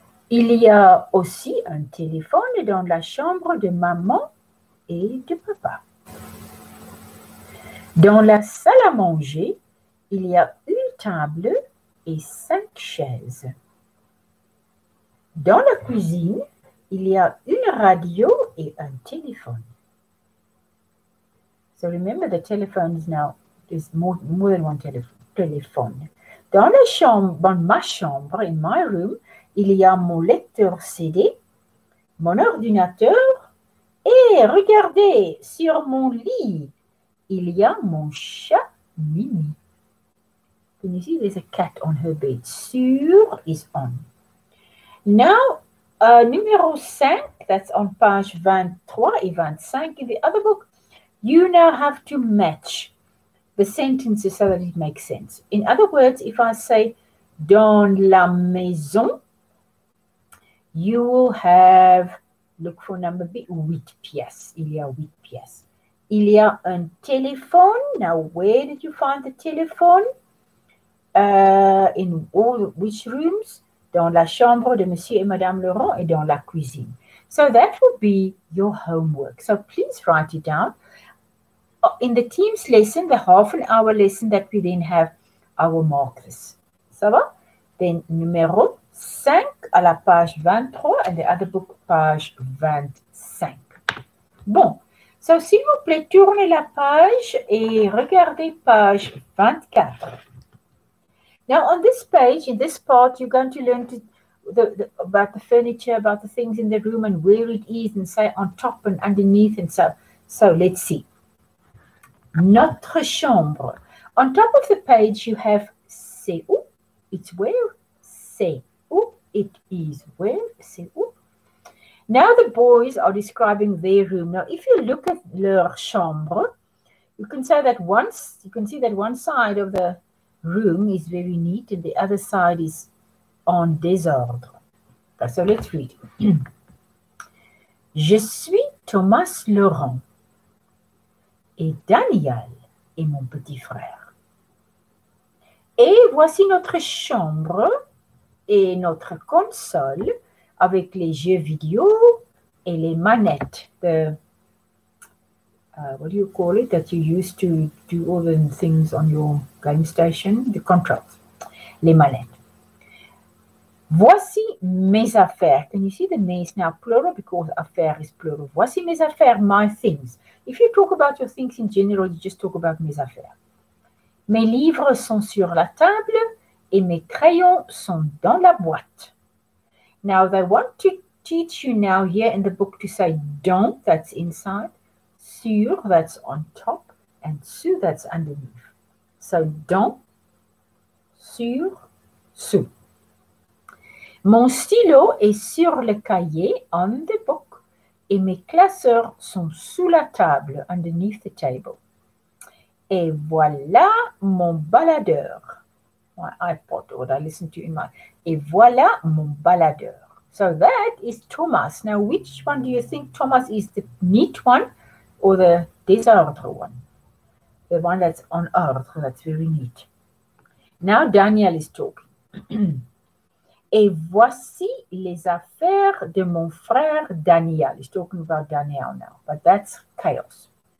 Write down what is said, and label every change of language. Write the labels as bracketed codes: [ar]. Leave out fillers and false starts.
[fr] Il y a aussi un téléphone dans la chambre de maman et de papa. Dans la salle à manger, il y a une table et 5 chaises. Dans la cuisine, il y a une radio et un téléphone. [en] So remember, the telephone is now is more than one telephone. [fr] Dans la chambre, dans ma chambre, [en] in my room, [fr] il y a mon lecteur CD, mon ordinateur et regardez sur mon lit. Il y a mon chat Mimi. [en] Can you see there's a cat on her bed? Sur is on. Now, numéro 5, that's on page 23 et 25 in the other book. You now have to match the sentences so that it makes sense. In other words, if I say [fr] dans la maison, [en] you will have, look for number B, [fr] 8 pièces. Il y a 8 pièces. Il y a un téléphone. [en] Now, where did you find the telephone? In all which rooms? [fr] Dans la chambre de Monsieur et Madame Laurent et dans la cuisine. [en] So that will be your homework. So please write it down. In the team's lesson, the half an hour lesson that we then have, I will mark this. [fr] Ça va? [en] Then [fr] numéro 5 à la page 23 [en] and the other book page 25. [fr] Bon. [en] So, [fr] s'il vous plaît, tournez la page et regardez page 24. [en] Now, on this page, in this part, you're going to learn to about the furniture, about the things in the room and where it is, and say on top and underneath. And so let's see. [fr] Notre chambre. [en] On top of the page, you have [fr] c'est où? [en] It's where? [fr] C'est où? [en] It is where? [fr] C'est où? [en] Now the boys are describing their room. Now, if you look at [fr] leur chambre, [en] you can say that once you can see that one side of the room is very neat and the other side is [fr] en désordre. [en] Okay, so let's read. [fr] Je suis Thomas Laurent et Daniel est mon petit frère. Et voici notre chambre et notre console avec les jeux vidéo et les manettes. [en] What do you call it that you use to do all the things on your game station? The controls. [fr] Les manettes. Voici mes affaires. [en] Can you see the mes now plural? Because affaires is plural. [fr] Voici mes affaires, [en] my things. If you talk about your things in general, you just talk about [fr] mes affaires. Mes livres sont sur la table et mes crayons sont dans la boîte. [en] Now, they want to teach you now here in the book to say dans, that's inside. Sur, that's on top, and sous, that's underneath. So, dans, sur, sous. [fr] Mon stylo est sur le cahier, [en] on the book, [fr] et mes classeurs sont sous la table, [en] underneath the table. [fr] Et voilà mon baladeur. [en] My iPod, what I listen to in my... [fr] Et voilà mon baladeur. [en] So, that is Thomas. Now, which one do you think Thomas is, the neat one? Or the désordre one, the one that's [fr] en ordre, [en] that's very neat. Now Daniel is talking. [fr] Et voici les affaires de mon frère Daniel. [en] He's talking about Daniel now, but that's chaos.